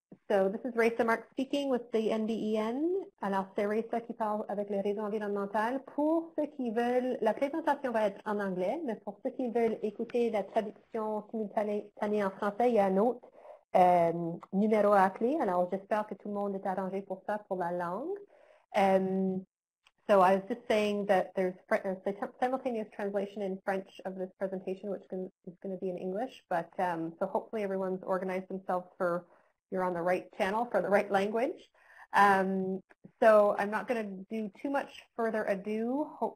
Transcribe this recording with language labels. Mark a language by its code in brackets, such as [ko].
[en] So this is Raissa Marks speaking with the NBEN. [fr] Alors c'est Raissa qui parle avec les réseaux environnementaux. Pour ceux qui veulent, la présentation va être en anglais, mais pour ceux qui veulent écouter la traduction simultanée en français, il y a un autre numéro à appeler. Alors j'espère que tout le monde est arrangé pour ça, pour la langue. [en] So I was just saying that there's a simultaneous translation in French of this presentation, which is going to be in English. But so hopefully everyone's organized themselves for you're on the right channel for the right language. So I'm not going to do too much further ado.